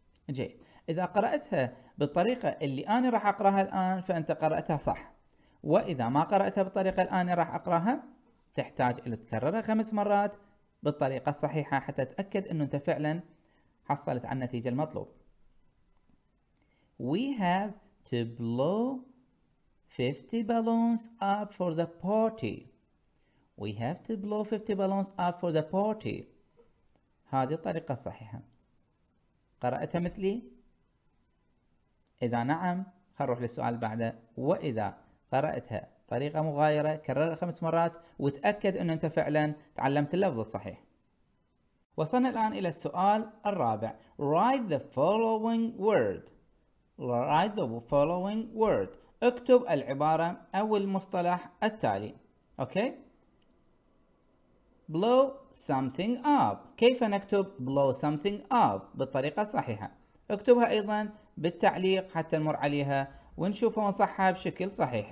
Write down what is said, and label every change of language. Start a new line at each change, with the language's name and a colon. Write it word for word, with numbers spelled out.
Arabic: جيد. إذا قرأتها بالطريقة اللي أنا راح أقرأها الآن فأنت قرأتها صح، وإذا ما قرأتها بالطريقة اللي أنا راح أقرأها تحتاج إلى تكررها خمس مرات بالطريقة الصحيحة حتى تأكد أنه أنت فعلا حصلت على النتيجة المطلوب.
English: We have to blow fifty balloons up for the party. We have to blow fifty balloons up for the party.
Arabic: هذه الطريقة الصحيحة. قرأتها مثلي؟ إذا نعم خل نروح للسؤال بعده. وإذا قرأتها طريقة مغايرة كررها خمس مرات وتأكد أن أنت فعلا تعلمت اللفظ الصحيح. وصلنا الآن إلى السؤال الرابع.
English: Write the following word. Write the following word.
Arabic: اكتب العبارة أو المصطلح التالي.
English: Okay? blow something up.
Arabic: كيف نكتب
English: blow something up
Arabic: بالطريقة الصحيحة؟ اكتبها أيضا بالتعليق حتى نمر عليها ونشوف وين صحها بشكل صحيح.